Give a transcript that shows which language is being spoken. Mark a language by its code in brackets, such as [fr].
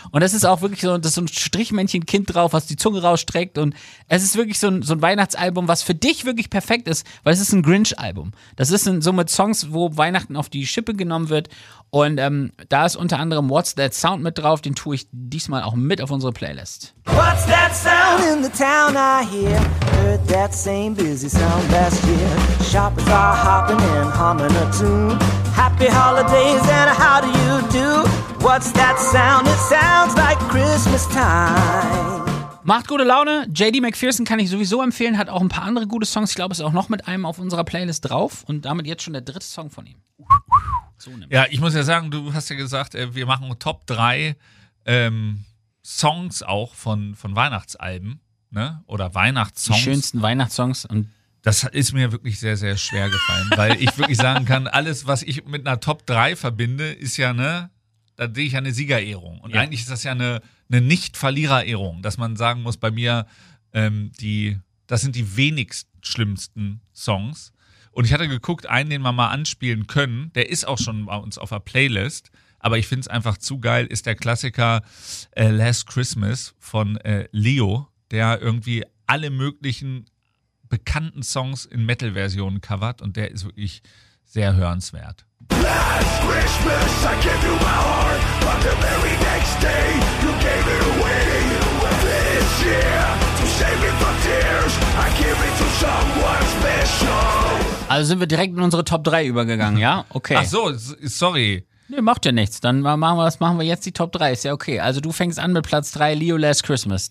[de] Und das ist auch wirklich so, das ist so ein Strichmännchen-Kind drauf, was die Zunge rausstreckt. Und es ist wirklich so ein Weihnachtsalbum, was für dich wirklich perfekt ist, weil es ist ein Grinch-Album. Das ist so mit Songs, wo Weihnachten auf die Schippe genommen wird. Und da ist unter anderem What's That Sound mit drauf. Den tue ich diesmal auch mit auf unsere Playlist. [en] What's that sound in the town I hear? Heard that same busy sound last year. Shoppers are hopping and humming a tune. Happy holidays and how do? What's that sound? It sounds like Christmas time. [de] Macht gute Laune. JD McPherson kann ich sowieso empfehlen. Hat auch ein paar andere gute Songs. Ich glaube, ist auch noch mit einem auf unserer Playlist drauf. Und damit jetzt schon der dritte Song von ihm. Ja, ich muss ja sagen, du hast ja gesagt, wir machen Top 3 Songs auch von Weihnachtsalben, ne? Oder Weihnachtssongs. Die schönsten Weihnachtssongs. Und das ist mir wirklich sehr, sehr schwer gefallen, weil ich wirklich sagen kann, alles, was ich mit einer Top 3 verbinde, ist ja, ne, da sehe ich ja eine Siegerehrung. Und Eigentlich ist das ja eine Nicht-Verlierer-Ehrung, dass man sagen muss, bei mir, das sind die wenigst schlimmsten Songs. Und ich hatte geguckt, einen, den wir mal anspielen können, der ist auch schon bei uns auf der Playlist, aber ich finde es einfach zu geil, ist der Klassiker Last Christmas von Leo, der irgendwie alle möglichen bekannten Songs in Metal-Versionen covert und der ist wirklich sehr hörenswert. [en] Last Christmas, I gave you my heart, but the very next day, you gave it away. This year, to save me from tears, I give it to someone special. [de] Also sind wir direkt in unsere Top 3 übergegangen, ja? Okay. Ach so, sorry. Nee, macht ja nichts. Dann machen wir, was machen wir jetzt? Die Top 3 ist ja okay. Also du fängst an mit Platz 3, Leo Last Christmas.